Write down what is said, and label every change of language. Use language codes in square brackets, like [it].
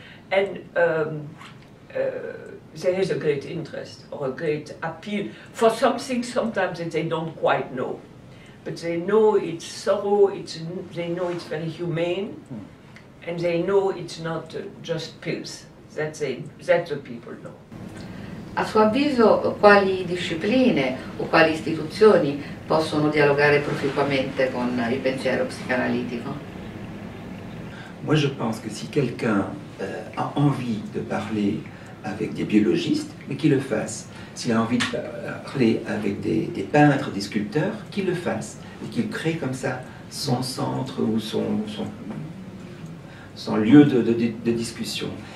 [en] And there is a great interest or a great appeal for something sometimes that they don't quite know. But they know it's thorough, they know it's very humane, and they know it's not just pills. That the people know. [it] A suo avviso, quali discipline o quali istituzioni possono dialogare proficuamente con il pensiero psicanalitico? [fr] Moi, je pense que si quelqu'un a envie de parler avec des biologistes, mais qu'il le fasse. S'il a envie de parler avec des peintres, des sculpteurs, qu'il le fasse. Et qu'il crée comme ça son centre ou son lieu de discussion.